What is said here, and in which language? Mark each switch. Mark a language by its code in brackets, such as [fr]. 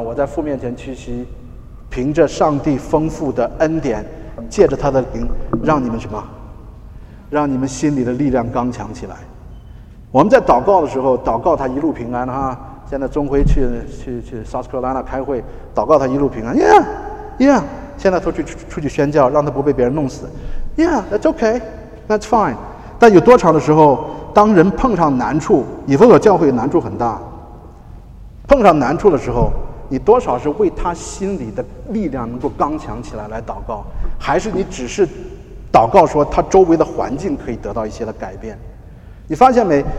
[zh] 我在父面前屈膝，凭着上帝丰富的恩典，借着他的灵让你们什么，让你们心里的力量刚强起来。我们在祷告的时候祷告他一路平安哈，现在钟辉去 South Carolina 开会，祷告他一路平安， yeah yeah,现在都出去宣教，让他不被别人弄死。 [en] Yeah, that's okay, that's fine. [zh] 但有多长的时候，当人碰上难处，以弗所教会难处很大。碰上难处的时候，你多少是为他心里的力量能够刚强起来来祷告，还是你只是祷告说他周围的环境可以得到一些的改变？你发现没？